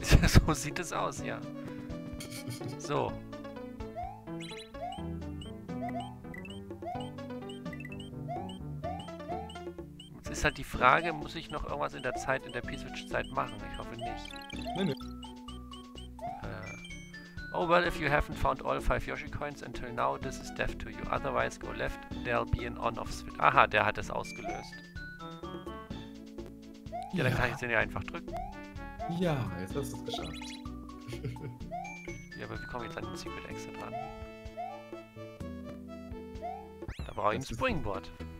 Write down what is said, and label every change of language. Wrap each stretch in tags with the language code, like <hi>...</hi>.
<de>haben. So sieht es aus, ja. So. Jetzt ist halt die Frage, muss ich noch irgendwas in der Zeit, in der P-Switch-Zeit machen? Ich hoffe nicht. Nee, nee.</de> <en>Oh well, if you haven't found all 5 Yoshi Coins until now, this is death to you. Otherwise, go left, there'll be an on-off switch.</en> <de>Aha, der hat es ausgelöst. Ja, dann kann ich den ja einfach drücken. Ja, jetzt hast du es geschafft. Ja, aber wie komme ich jetzt an den Secret Exit dran? Da brauche ich ein Springboard.</de>